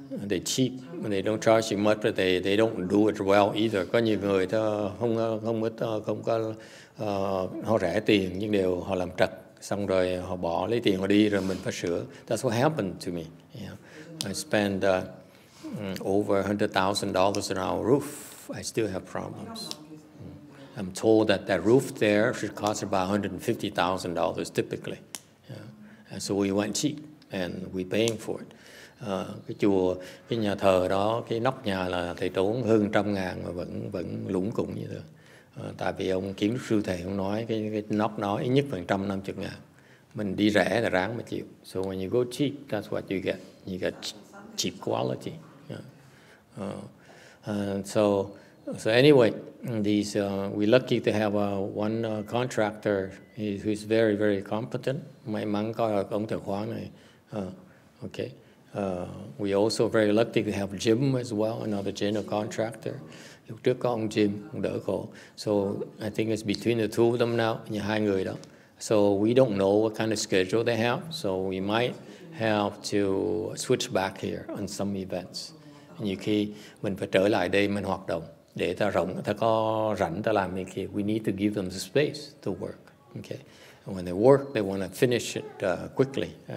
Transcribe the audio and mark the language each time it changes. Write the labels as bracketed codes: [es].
[en] They cheat, they don't charge you much, but they don't do it well either. [vi] Có nhiều người ta không có họ rẻ tiền nhưng đều họ làm trật, xong rồi họ bỏ lấy tiền họ đi rồi mình phải sửa. [en] That's what happened to me. Yeah. I spend over $100,000 on our roof. I still have problems. I'm told that roof there should cost about $150,000 typically. Yeah. And so we went cheap and we paying for it. [vi] Cái chùa, cái nhà thờ đó, cái nóc nhà là thầy tốn hơn 100,000 mà vẫn lủng củng như thế. Tại vì ông kiến trúc sư thầy không nói cái nóc đó ít nhất phần 150,000. Mình đi rẻ là ráng mà chịu. [en] So when you go cheap, that's what you get. You get cheap quality. Yeah. So anyway, we're lucky to have one contractor who's very, very competent. [vi] May mắn có ông thợ khoáng này. Okay. [en] We also very lucky to have Jim as well, another general contractor. [vi] Lúc trước có ông Jim, ông đỡ khổ. [en] So I think it's between the two of them now, [vi] nhà hai người đó. [en] So we don't know what kind of schedule they have. So we might have to switch back here on some events. [vi] Nhiều khi mình phải trở lại đây mình hoạt động. Để ta rộng, ta có rảnh ta làm những kia. [en] We need to give them the space to work. Okay. And when they work, they want to finish it quickly.